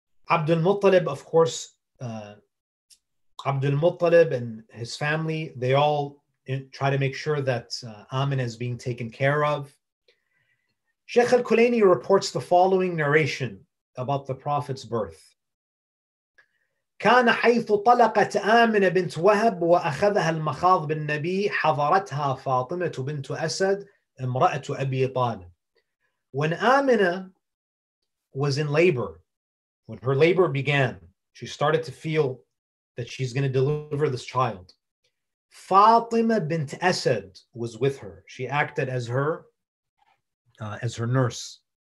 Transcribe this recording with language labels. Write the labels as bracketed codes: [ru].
[en] Abdul Muttalib, of course, Abdul Muttalib and his family, they all try to make sure that Aminah is being taken care of. Sheikh Al-Kulaini reports the following narration about the Prophet's birth. [ar] كان حيث طلقت آمنة بنت وهب وأخذها المخاض بالنبي حضرتها فاطمة بنت أسد امرأة أبي طالب. [en] When Amina was in labor, when her labor began, she started to feel that she's going to deliver this child. Fatima bint Asad was with her. She acted as her nurse.